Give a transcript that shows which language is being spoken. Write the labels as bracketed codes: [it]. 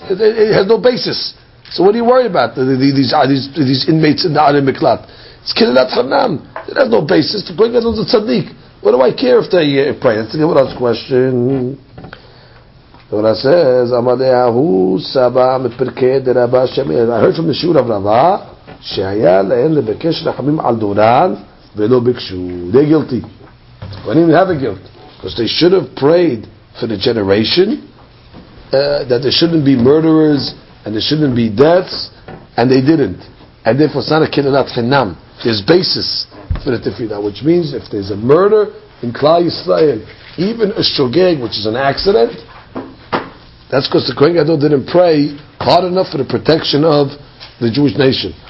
[en] It has no basis. So what do you worry about these inmates in the Arim Miklat? It's kililat hanam. It has no basis. The Kohen Gadol is a tzaddik. What do I care if they pray? That's the Gemara's question. The Gemara says, [arc] "Amaleahu saba mepirkei de Rabba Shemi." [en] I heard from the Shiur of Rava. [he] שהיה להן לבקש רחמים על דורן ולא ביקשו. [en] They're guilty. We didn't have a guilt. Because they should have prayed for the generation that there shouldn't be murderers and there shouldn't be deaths, and they didn't. And therefore it's not a kililat chinam. There's basis for the tefillah, which means if there's a murder in Klal Yisrael, even a shogeg, which is an accident, that's because the Kohen Gadol didn't pray hard enough for the protection of the Jewish nation.